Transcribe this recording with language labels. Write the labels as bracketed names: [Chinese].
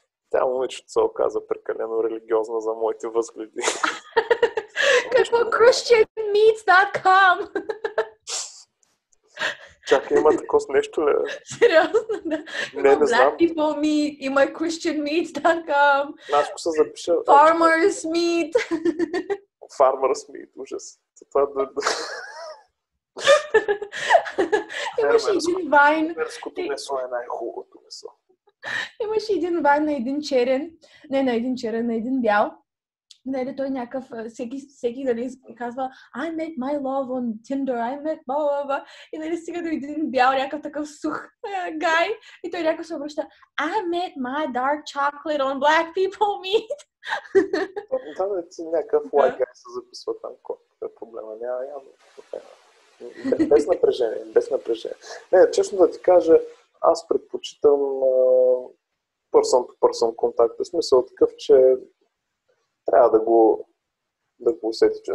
[Bulgarian] Тя момичето се оказа прекалено религиозна за моите възгледи. Какво ChristianMeets.com? Чакай, има такова нещо ли? Сериозно, да. Не, не знам. Black people meet, има ChristianMeets.com. Аз ако се запиша... [English] Farmers meet. Farmers meet, ужас. [Bulgarian] Това е... Имаш един вайн. Мерското месо е най-хубавото месо. Имаш един вайн на един черен. Не, на един черен, на един бял. Нали, той някакъв, всеки нали, казва [English] I met my love [Bulgarian] on Tinder, I met my love. И нали стига до един бял, някакъв такъв сух гай. И той някакъв се обръща [English] I met my dark chocolate on black people meet. [Bulgarian] Да, да, ти някакъв [English] white guy [Bulgarian] се записва там, какво е проблема. Няма, няма. Без напрежение, без напрежение. Не, честно да ти кажа, аз предпочитам [English] person to person [Bulgarian] контакт. В смисъл такъв, че трябва да го, да го усети.